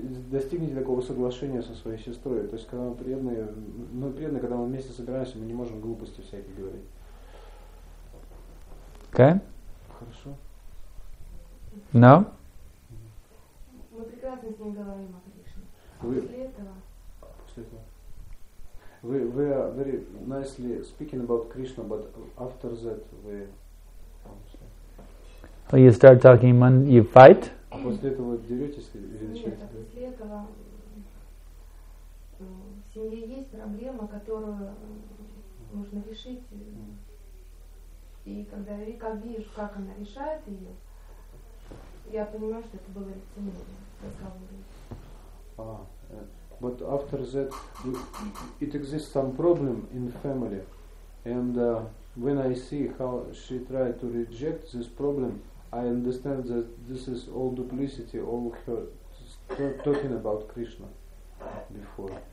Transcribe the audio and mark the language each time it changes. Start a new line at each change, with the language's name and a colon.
Russian: Достигните такого соглашения со своей сестрой. То есть, когда мы преданные, мы преданные, когда мы вместе собираемся, мы не можем глупости всякие говорить.
English: Okay?
Russian: Хорошо.
English: No?
Russian: Мы прекрасно с ним говорим о Кришне.
English: Вы are very nicely speaking about Krishna, but after that we... Well, you start talking, you fight?
Russian: А после этого деретесь или начинаете? Нет, а после этого в семье есть проблема, которую нужно решить. И когда я вижу, как она решает ее, я понимаю, что это было лицемерие.
English: But after that, it exists some problem in the family, and when I see how she tried to reject this problem, I understand that this is all duplicity, all her talking about Krishna before.